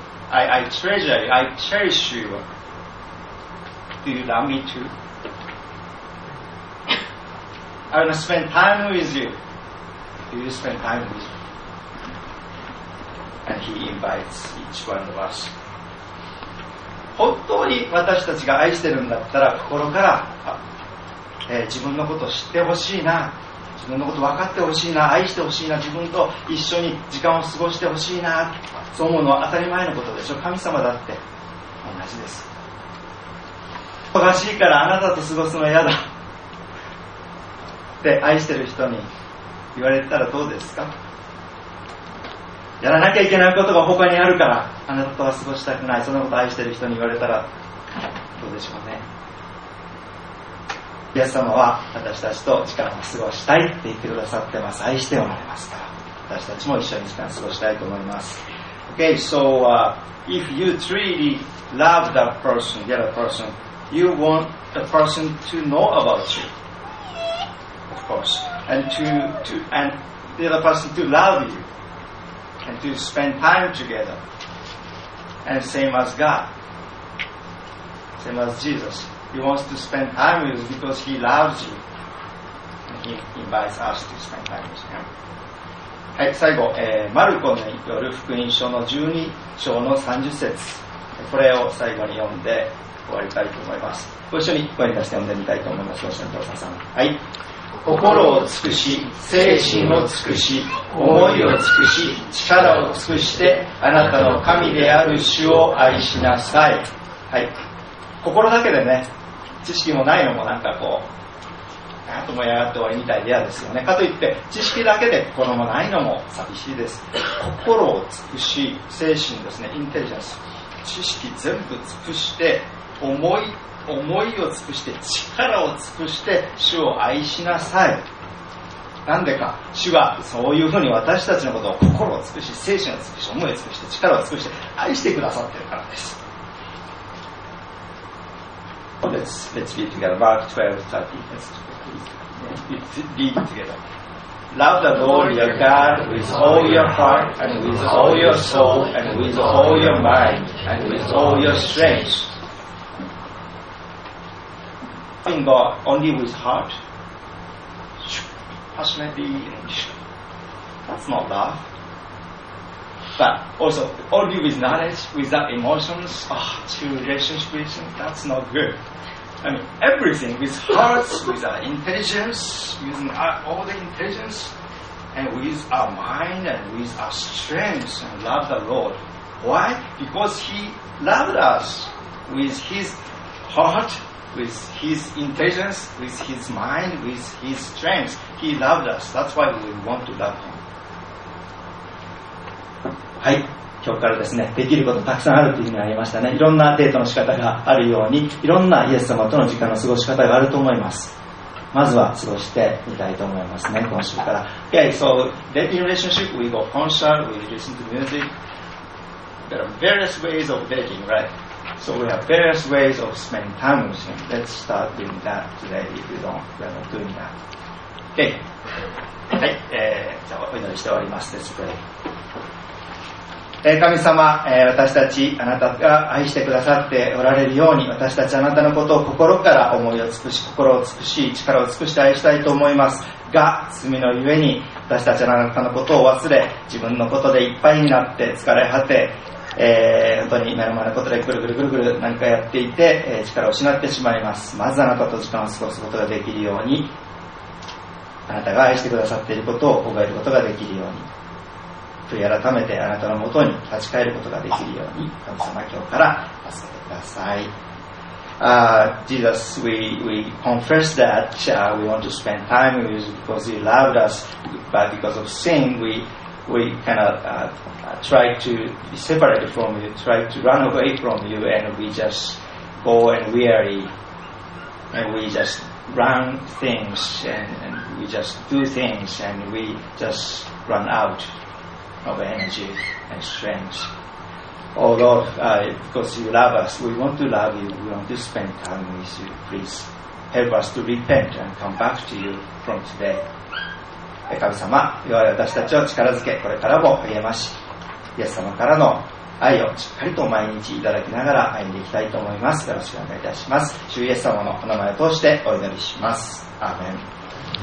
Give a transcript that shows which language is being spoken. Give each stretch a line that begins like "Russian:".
English: I treasure you. I cherish you. Do you love me too? I want to spend time with you. Do you spend time with me? and he invites each one of us.
Japanese: 本当に私たちが愛してるんだったら心から、自分のことを知ってほしいな、自分のこと分かってほしいな、愛してほしいな、自分と一緒に時間を過ごしてほしいな、そう思うのは当たり前のことでしょ。神様だって同じです。忙しいからあなたと過ごすの嫌だって愛してる人に言われたらどうですか。やらなきゃいけないことが他にあるからあなたとは過ごしたくない、そんなこと愛してる人に言われたらどうでしょうね。イエス様は私たちと時間を過ごしたいって言ってくださってます。愛しておられますから、私たちも一緒に時間を過ごしたいと思います。
English: OK, so、if you truly love that person, the other person, you want the person to know about you, of course, and to and the other person to love youAnd to spend time together. And same as God. Same as Jesus. He wants to spend time with you because he loves you. And he invites us to spend time with him.
Japanese: はい、最後、マルコによる福音書の12章の30節。これを最後に読んで終わりたいと思います。ご一緒に声に出して読んでみたいと思います。ご先導さん。はい。心を尽くし、精神を尽くし、思いを尽くし、力を尽くしてあなたの神である主を愛しなさい。はい、心だけでね、知識もないのもなんかこうやっともやっと終わりみたいで嫌ですよね。かといって知識だけで心もないのも寂しいです。心を尽くし、精神ですね、インテリジェンス、知識全部尽くして、思いを尽くして、力を尽くして主を愛しなさい。なんでか、主はそういうふうに私たちのことを心を尽くし、精神を尽くし、思いを尽くして、力を尽くして愛してくださっているからです。
English: Let's read together Mark 12:30. Let's read it together. Love the Lord your God with all your heart and with all your soul and with all your mind and with all your strength Loving God only with heart, passionately, that's not love. But also only with knowledge, without emotions, true relationship, that's not good. I mean, everything with hearts, with our intelligence, using all the intelligence, and with our mind and with our strength, and love the Lord. Why? Because He loved us with His heart. With his intelligence, with his mind, with his strength, he loved us. That's why we want to love him.
Japanese: はい、今日からですね、できることたくさんあるというふうにありましたね。いろんなデートの仕方があるように、いろんなイエス様との時間の過ごし方があると思います。まずは過ごしてみたいと思いますね、今週から。
English: Okay, so dating relationship, we go concert, we listen to music. There are various ways of dating, rightSo we have various ways of spending time with him. Let's start doing that today if we're not doing that. Okay.
Japanese: はい、じゃあお祈りして終わります。
English: Let's pray.
Japanese: 神様、私たちあなたが愛してくださっておられるように、私たちあなたのことを心から思いを尽くし、心を尽くし、力を尽くして愛したいと思いますが、罪のゆえに私たちあなたのことを忘れ、自分のことでいっぱいになって疲れ果て、本当に目の前のことでぐるぐるぐるぐる何かやっていて、力を失ってしまいます。まずあなたと時間を過ごすことができるように、あなたが愛してくださっていることを覚えることができるように、悔い改めてあなたのもとに立ち返ることができるように、神様今日から助けてください。
English: Jesus, we confess that we want to spend time with you because you loved us, but because of sin we cannot try to be separated from you, try to run away from you, and we just go and weary, and we just run things, and we just do things, and we just run out of energy and strength. Oh Lord, because you love us, we want to love you, we want to spend time with you. Please help us to repent and come back to you from today.
Japanese: 神様、弱い私たちを力づけ、これからも励まし、イエス様からの愛をしっかりと毎日いただきながら歩んでいきたいと思います。よろしくお願いいたします。主イエス様のお名前を通してお祈りします。アーメン。